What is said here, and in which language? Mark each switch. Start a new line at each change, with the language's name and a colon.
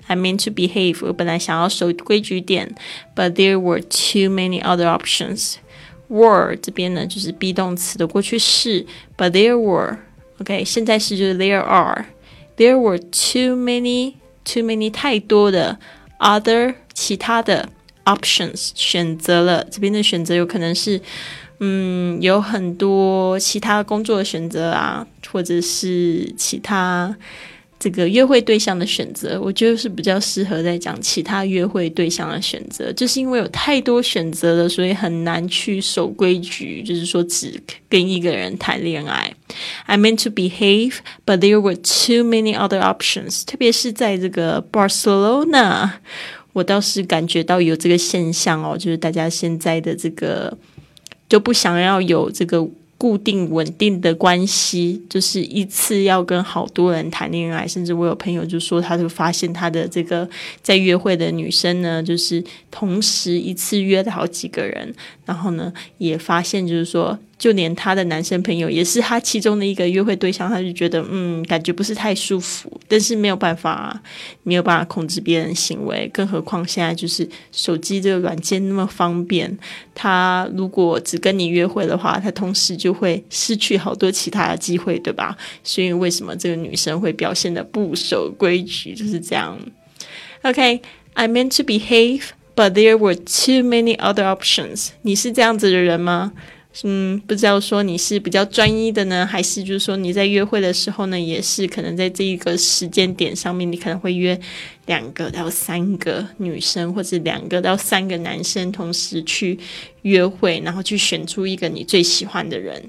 English: I mean to behave,
Chinese: 我本来想要守规矩点，
English: But there were too many other options.
Chinese: Were 这边呢就是 be 动词的过去式，
English: But there were,
Chinese: OK, 现在式就是 there are.
English: There were too many 太多的 other 其他的 options 选择了。
Chinese: 这边的选择有可能是有很多其他工作的选择啊，或者是其他这个约会对象的选择。我觉得是比较适合在讲其他约会对象的选择，就是因为有太多选择了，所以很难去守规矩，就是说只跟一个人谈恋爱。
English: I meant to behave, but there were too many other options.
Chinese: 特别是在这个 Barcelona, 我倒是感觉到有这个现象哦，就是大家现在的这个就不想要有这个固定稳定的关系，就是一次要跟好多人谈恋爱。甚至我有朋友就说，他就发现他的这个在约会的女生呢，就是同时一次约了好几个人，然后呢也发现就是说，就连他的男生朋友也是他其中的一个约会对象，他就觉得感觉不是太舒服。但是没有办法，没有办法控制别人的行为，更何况现在就是手机这个软件那么方便，他如果只跟你约会的话，他同时就会失去好多其他的机会，对吧？所以为什么这个女生会表现得不守规矩，就是这样。
English: OK, I meant to behave, but there were too many other options.
Chinese: 你是这样子的人吗？不知道说你是比较专一的呢，还是就是说你在约会的时候呢，也是可能在这一个时间点上面，你可能会约两个到三个女生，或者两个到三个男生同时去约会，然后去选出一个你最喜欢的人。